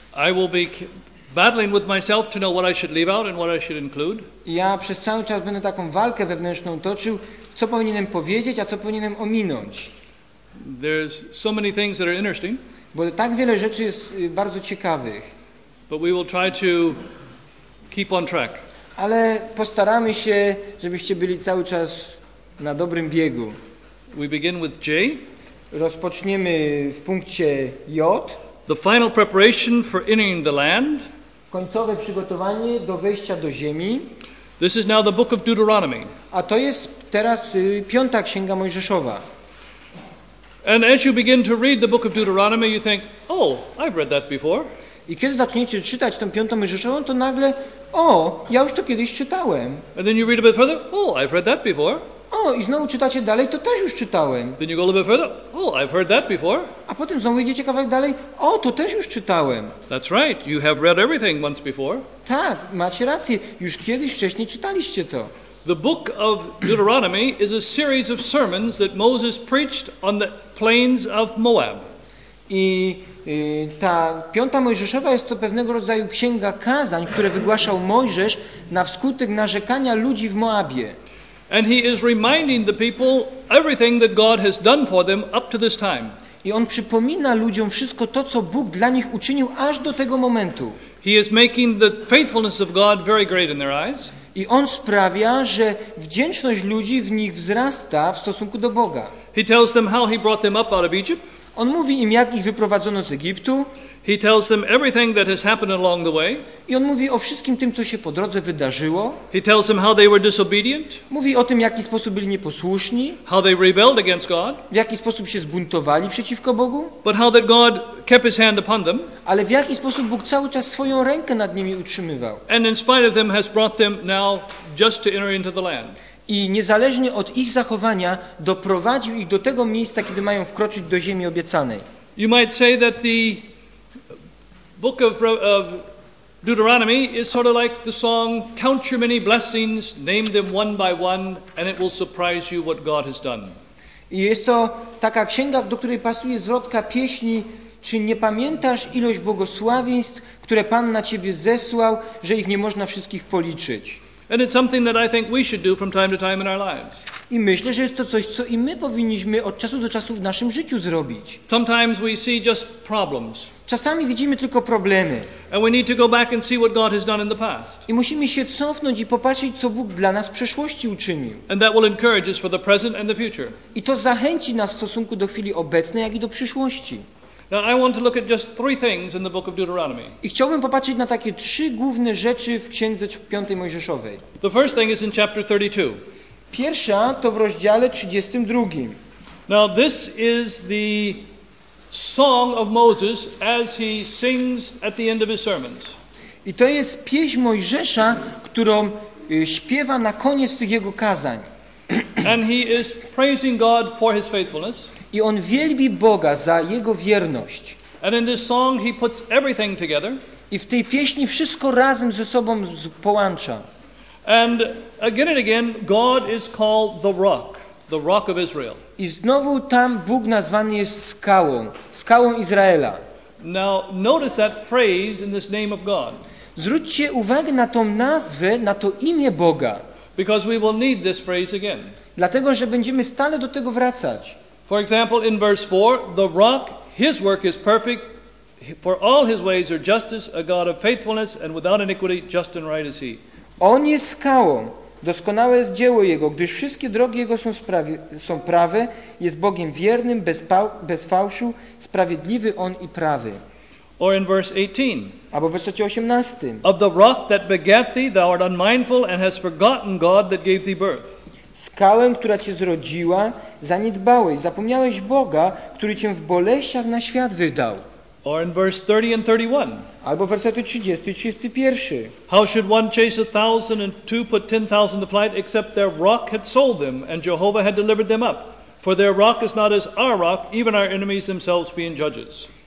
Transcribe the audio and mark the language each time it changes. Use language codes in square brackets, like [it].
[en] I will be battling with myself to know what I should leave out and what I should include. [pl] Ja przez cały czas będę taką walkę wewnętrzną toczył, co powinienem powiedzieć, a co powinienem ominąć. [en] There's so many things that are interesting. [pl] Bo tak wiele rzeczy jest bardzo ciekawych. [en] But we will try to keep on track. [pl] Ale postaramy się, żebyście byli cały czas na dobrym biegu. [en] We begin with J. [pl] Rozpoczniemy w punkcie J. [en] The final preparation for entering the land. [pl] końcowe przygotowanie do wejścia do ziemi. [en] This is now the book of Deuteronomy. [pl] A to jest teraz piąta księga Mojżeszowa. [en] And as you begin to read the book of Deuteronomy, you think, "Oh, I've read that before." [pl] I kiedy zaczniecie czytać tą piątą Mojżeszową, to nagle, o, ja już to kiedyś czytałem. [en] And then you read a bit further, "Oh, I've read that before." [pl] O, i znowu czytacie dalej, to też już czytałem. [en] Then you go a little bit further, "Oh, I've heard that before." [pl] A potem znowu idziecie kawałek dalej, o, to też już czytałem. [en] That's right, you have read everything once before. [pl] Tak, macie rację, już kiedyś wcześniej czytaliście to. [en] The book of Deuteronomy is a series of sermons that Moses preached on the plains of Moab. [pl] I ta piąta Mojżeszowa jest to pewnego rodzaju księga kazań, które wygłaszał Mojżesz na wskutek narzekania ludzi w Moabie. [en] And he is reminding the people everything that God has done for them up to this time. [pl] I on przypomina ludziom wszystko to, co Bóg dla nich uczynił aż do tego momentu. [en] He is making the faithfulness of God very great in their eyes. [pl] I on sprawia, że wdzięczność ludzi w nich wzrasta w stosunku do Boga. [en] He tells them how he brought them up out of Egypt. [pl] On mówi im, jak ich wyprowadzono z Egiptu. [en] He tells them everything that has happened along the way. [pl] I on mówi o wszystkim tym, co się po drodze wydarzyło. [en] He tells them how they were disobedient. [pl] Mówi o tym, w jaki sposób byli nieposłuszni. [en] How they rebelled against God. [pl] W jaki sposób się zbuntowali przeciwko Bogu. [en] But how that God kept his hand upon them. [pl] Ale w jaki sposób Bóg cały czas swoją rękę nad nimi utrzymywał. [en] And in spite of them has brought them now just to enter into the land. [pl] I niezależnie od ich zachowania doprowadził ich do tego miejsca, kiedy mają wkroczyć do ziemi obiecanej. [en] You might say that the book of Deuteronomy is sort of like the song "Count your many blessings, name them one by one, and it will surprise you what God has done." [pl] I jest to taka księga, do której pasuje zwrotka pieśni: czy nie pamiętasz ilość błogosławieństw, które Pan na ciebie zesłał, że ich nie można wszystkich policzyć? [en] And it's something that I think we should do from time to time in our lives. [pl] I myślę, że jest to coś, co i my powinniśmy od czasu do czasu w naszym życiu zrobić. [en] Sometimes we see just problems. [pl] Czasami widzimy tylko problemy. [en] And we need to go back and see what God has done in the past. [pl] I musimy się cofnąć i popatrzeć, co Bóg dla nas w przeszłości uczynił. [en] And that will encourage us for the present and the future. [pl] I to zachęci nas w stosunku do chwili obecnej, jak i do przyszłości. [en] Now I want to look at just three things in the book of Deuteronomy. [pl] I chciałbym popatrzeć na takie trzy główne rzeczy w księdze w piątej Mojżeszowej. [en] The first thing is in chapter 32. [pl] Pierwsza to w rozdziale 32. [en] Now this is the song of Moses as he sings at the end of his sermons. [pl] I to jest pieśń Mojżesza, którą śpiewa na koniec tych jego kazań. [en] And he is praising God for his faithfulness. [pl] I on wielbi Boga za jego wierność. [en] And in this song he puts everything together. [pl] I w tej pieśni wszystko razem ze sobą połącza. [en] And again and again God is called the rock of Israel. [pl] I znowu tam Bóg nazwany jest skałą, skałą Izraela. [en] Now notice that phrase in this name of God. [pl] Zwróćcie uwagę na tą nazwę, na to imię Boga. [en] Because we will need this phrase again. [pl] Dlatego że będziemy stale do tego wracać. [en] For example, in verse 4, the rock, his work is perfect, for all his ways are justice, a God of faithfulness, and without iniquity, just and right is he. [pl] On jest skałą, doskonałe jest dzieło jego, gdyż wszystkie drogi jego są prawe, jest Bogiem wiernym, bez fałszu, sprawiedliwy on i prawy. [en] Or in verse 18. [pl] Albo w wersecie 18. [en] Of the rock that begat thee, thou art unmindful, and hast forgotten God that gave thee birth. [pl] Skałę, która cię zrodziła, zaniedbałeś, zapomniałeś Boga, który cię w boleściach na świat wydał. [en] Or in verse 30 and 31. [pl] Albo wersety 30 i 31. [en] How should one chase a thousand and two put 10,000 to flight, except their rock had sold them and Jehovah had delivered them up? For their rock is not as our rock, even our enemies themselves being judges.